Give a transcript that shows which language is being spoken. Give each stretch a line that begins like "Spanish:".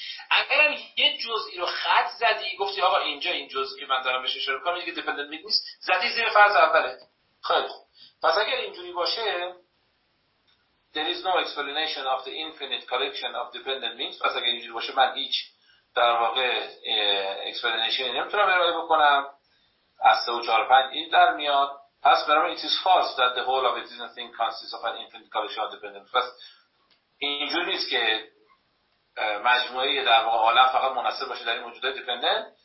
Persian: اگرم یه جزئی رو خط زدی، گفتی آقا اینجا این جزئی که من دارم بهش اشاره کنم دیگه دیپندنت بینگ نیست، زدی زیر فرض اوله. خیلی خوب، پس اگر اینجوری باشه
English: there is no explanation of the infinite collection of dependent beings.
Persian: پس اگر اینجوری باشه من هیچ در واقع explanation نمیتونم ارائه بکنم. از 3 و 4 و 5 این در میاد. پس برام
English: it is false that the whole of existence thing consists of an infinite collection of dependent beings.
Persian: پس اینجوری نیست که مجموعه در واقع عالم فقط منحصر باشه در این موجودات dependent.